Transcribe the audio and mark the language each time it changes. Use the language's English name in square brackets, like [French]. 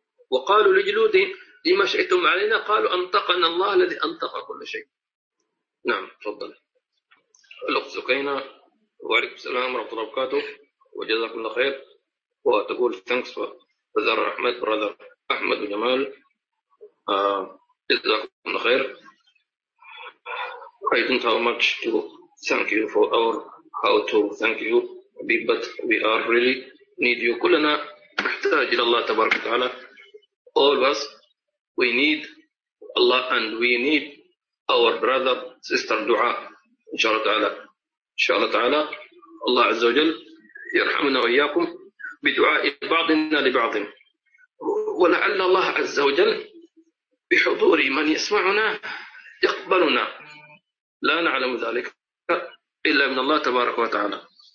[Arabic] وقالوا لجلودهم لما شئتم علينا، قالوا أنطقنا الله الذي أنطق كل شيء. نعم تفضل الأخ سكينة. وعليكم السلام ورحمة الله وبركاته وجزاكم الله خير. وتقول [English] thanks for brother [Arabic] أحمد وجمال جزاكم الله خير. [English] I don't have much to thank you for our how to thank you but we are really need you. [Arabic] كلنا نحتاج إلى الله تبارك وتعالى. [English] All of us we need Allah and we need our brother sister [Arabic] دعاء إن شاء الله تعالى. إن شاء الله تعالى الله عز وجل يرحمنا وإياكم بدعاء بعضنا لبعض، ولعل الله عز وجل بحضور من يسمعنا يقبلنا، لا نعلم ذلك إلا من الله تبارك وتعالى.